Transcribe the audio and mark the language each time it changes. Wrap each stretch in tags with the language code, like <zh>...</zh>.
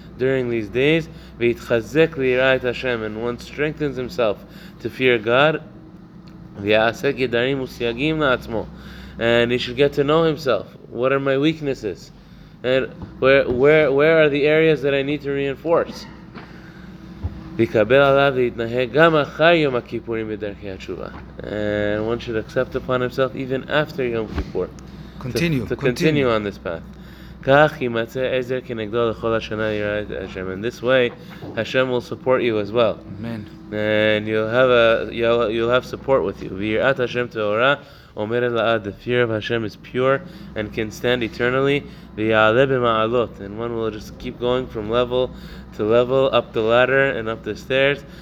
<en>during these days,</en> <he>ויתחזק ליראת השם,</he> <en>and one strengthens himself to fear God,</en> <he>ויעשה גדרים וסייגים לעצמו,</he> <en>and he should get to know himself. What are my weaknesses? And where are the areas that I need to reinforce?</en> <he>ויקבל עליו ויתנהג גם אחר יום הכיפורים בדרכי התשובה.</he> <en>And one should accept upon himself even after Yom Kippur. Continue on this path.</en> <he>כך ימצא עזר כנגדו לכל השנה יראת השם.</he> <en>And this way, Hashem will support you as well. Amen. And you'll have support with you.</en> <he>ויראת השם תאורה אומרת לעד,</he> <en>the fear of Hashem is pure and can stand eternally.</en> <he>ויעלה במעלות,</he> <en>and one will just keep going from level to level, up the ladder and up the stairs.</en>